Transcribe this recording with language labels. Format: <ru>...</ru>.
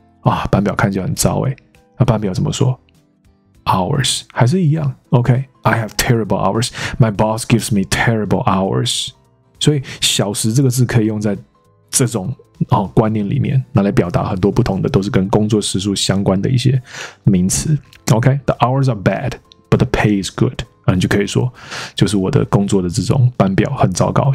<zh>啊，班表看起来很糟哎。那班表怎么说？Hours 还是一样 ，OK。</zh> <en>I have terrible hours. My boss gives me terrible hours.</en> <zh>所以小时这个字可以用在这种观念里面，拿来表达很多不同的，都是跟工作时数相关的一些名词。</zh> <en>OK， the hours are bad, but the pay is good.</en> <zh>你就可以说，就是我的工作的这种班表很糟糕。</zh>